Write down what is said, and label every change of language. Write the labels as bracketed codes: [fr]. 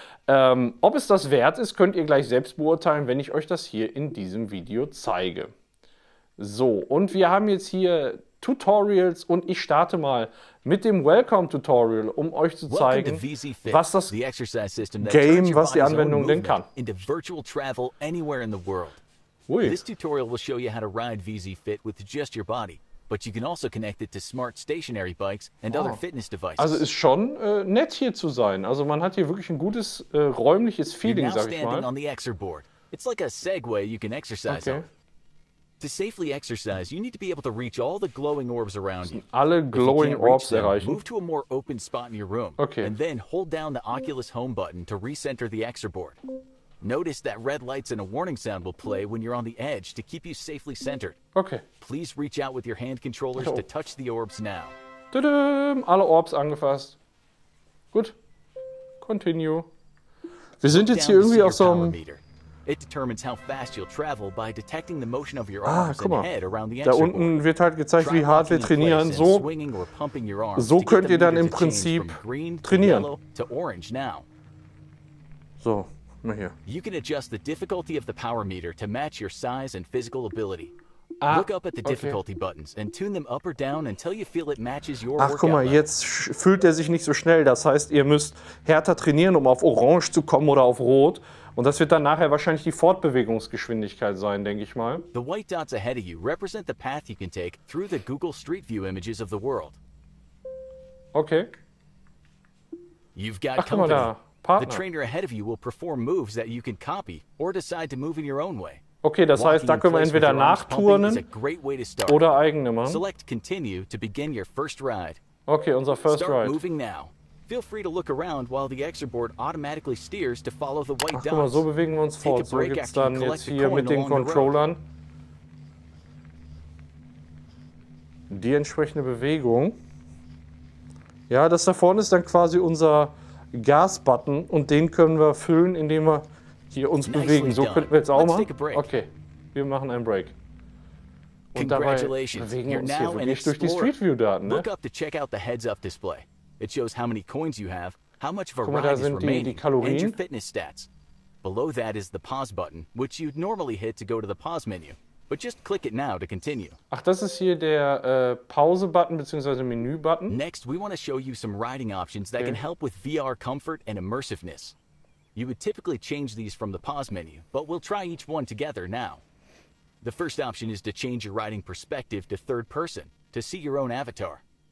[de] Ob es das wert ist, könnt ihr gleich selbst beurteilen, wenn ich euch das hier in diesem Video zeige. So, und wir haben jetzt hier Tutorials und ich starte mal mit dem Welcome-Tutorial, um euch zu zeigen, was das Game, was die Anwendung denn kann. [en] Into virtual travel anywhere in the world. [de] Ui. [en] This tutorial will show you how to ride VisiFit with just your body, but you can also connect it to smart stationary bikes and other fitness devices. [de] Also ist schon nett hier zu sein. Also man hat hier wirklich ein gutes räumliches Feeling, sag ich mal. [en] Standing on the Exer board. It's like a Segway you can exercise on. Okay. To safely exercise, you need to be able to reach all the glowing orbs around you. [de] Alle glowing orbs erreichen. [en] Move to a more open spot in your room. Okay. And then hold down the Oculus Home button to recenter the Exer board. Notice that red lights and a warning sound will play when you're on the edge to keep you safely centered. Okay. Please reach out with your hand controllers to touch the orbs now. [de] Tada! Alle Orbs angefasst. Gut. [en] Continue. [de] Wir sind jetzt hier irgendwie auf so einem. [en] It determines how fast you'll travel by detecting the motion of your arms and head around the Exer board. [de] Da unten wird halt gezeigt, wie hart wir trainieren. So könnt ihr dann im Prinzip trainieren. [en] To orange now. [de] So, mal hier. [en] You can adjust the difficulty of the power meter to match your size and physical ability. Look up at the difficulty buttons and tune them up or down until you feel it matches your workout. [de] Ach, guck mal, jetzt fühlt er sich nicht so schnell. Das heißt, ihr müsst härter trainieren, um auf Orange zu kommen oder auf Rot. Und das wird dann nachher wahrscheinlich die Fortbewegungsgeschwindigkeit sein, denke ich mal. [en] The white dots ahead of you represent the path you can take through the Google Street View images of the world. Okay. You've got [de] Ach, company. Guck mal da. Partner. [en] The trainer ahead of you will perform moves that you can copy or decide to move in your own way. [de] Okay, das heißt, da können wir entweder nachturnen oder eigene machen. [en] Select continue to begin your first ride. [de] Okay, unser [en] first Start ride. Moving now. Feel free to look around while the Exer board automatically steers to follow the white [de] dots. Guck mal, so bewegen wir uns fort. So geht's dann jetzt hier mit den Controllern. Die entsprechende Bewegung. Ja, das da vorne ist dann quasi unser Gas-Button und den können wir füllen, indem wir hier uns bewegen. So könnten wir jetzt auch machen. Okay, wir machen einen Break. Und dabei bewegen wir uns hier wirklich durch die Street View-Daten. [en] Look up to check out the heads-up display. It shows how many coins you have, how much of a ride is remaining, and your fitness stats. Below that is the pause button, which you'd normally hit to go to the pause menu, but just click it now to continue. [de] Ach, das ist hier der Pause Button bzw. Menü Button. [en] Next, we want to show you some riding options that can help with VR comfort and immersiveness. You would typically change these from the pause menu, but we'll try each one together now. The first option is to change your riding perspective to third person to see your own avatar.